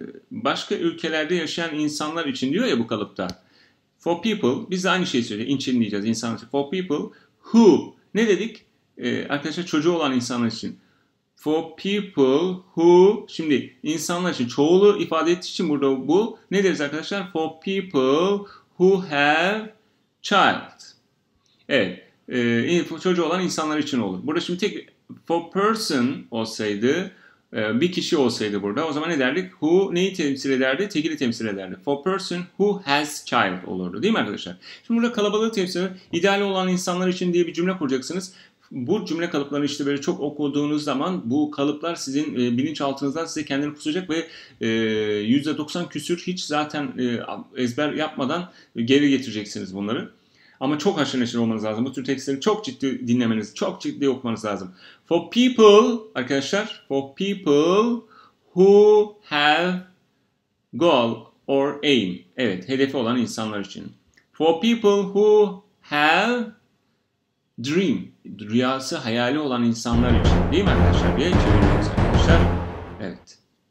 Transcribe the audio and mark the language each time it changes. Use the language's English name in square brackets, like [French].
[Turkish] Başka ülkelerde yaşayan insanlar için diyor ya bu kalıpta. [English] For people, [Turkish] biz de aynı şeyi söyleyeceğiz. İnsanlar için. [English] For people who, [Turkish] Ne dedik? Arkadaşlar çocuğu olan insanlar için. [English] For people who, [Turkish] şimdi insanlar için çoğulu ifade ettiği için burada bu. Ne deriz arkadaşlar? [English] For people who have child. [Turkish] Evet, çocuğu olan insanlar için olur. Burada şimdi tek [English] for person [Turkish] olsaydı, bir kişi olsaydı burada, o zaman ne derdik? Who neyi temsil ederdi? Tekili temsil ederdi. [English] For person who has child [Turkish] olurdu, değil mi arkadaşlar? Şimdi burada kalabalığı temsil eder. İdeal olan insanlar için diye bir cümle kuracaksınız. Bu cümle kalıplarını işte böyle çok okuduğunuz zaman bu kalıplar sizin bilinçaltınızdan size kendini kusacak ve %90 küsür hiç zaten ezber yapmadan geri getireceksiniz bunları. Ama çok haşır neşir olmanız lazım. Bu tür tekstleri çok ciddi dinlemeniz, çok ciddi okumanız lazım. [English] For people, arkadaşlar, for people who have goal or aim. [Turkish] Evet, hedefi olan insanlar için. [English] For people who have dream, [Turkish] rüyası, hayali olan insanlar için, değil mi arkadaşlar? Bir çeviriyoruz arkadaşlar. Evet.